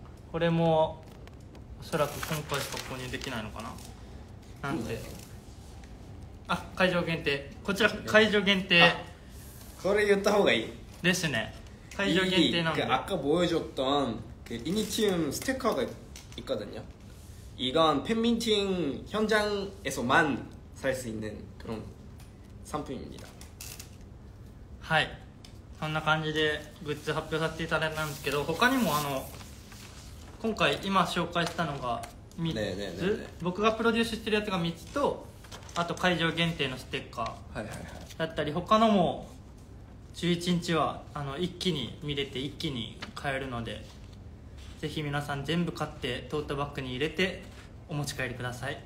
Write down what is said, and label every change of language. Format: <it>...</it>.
<ja>これもおそらく今回しか購入できないのかな。なんで、あ、会場限定、こちら会場限定、これ言った方がいいですね。会場限定なんで、</ja> <ko>あか보여줬던イニティウムステッカーが있거든요。 이건팬미팅현장에서만살수있는그런상품입니다。</ko> <ja>はい、そんな感じでグッズ発表させていただいたんですけど、他にもあの今回今紹介したのが3つ、ねえねえねえねえ、僕がプロデュースしてるやつが3つと、あと会場限定のステッカーだったり、はいはいはい、他のも11日はあの一気に見れて一気に買えるので、ぜひ皆さん全部買ってトートバッグに入れてお持ち帰りください。</ja>